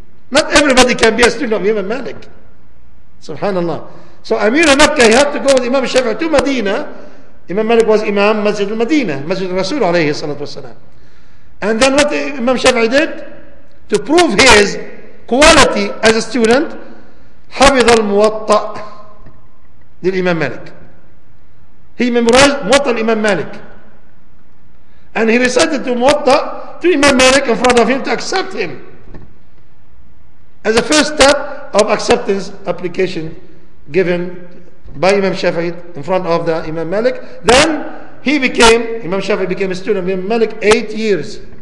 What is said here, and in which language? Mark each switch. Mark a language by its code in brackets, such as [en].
[en] Not everybody can be a student of Imam Malik. سُبْحَانَ اللَّهِ. So Amir al-Makkah, he had to go with Imam Shafi'i to Medina. Imam Malik was Imam Masjid al-Medina, Masjid al-Rasul alayhi salatu wasalam. And then what Imam Shafi'i did? To prove his quality as a student, [ar] حفظ الموطا للإمام مالك. [en] He memorized موطا الإمام مالك. And he recited the موطا to Imam Malik in front of him to accept him. As a first step of acceptance application given by Imam Shafi'i in front of the Imam Malik. Then he became, Imam Shafi'i became a student of Imam Malik 8 years.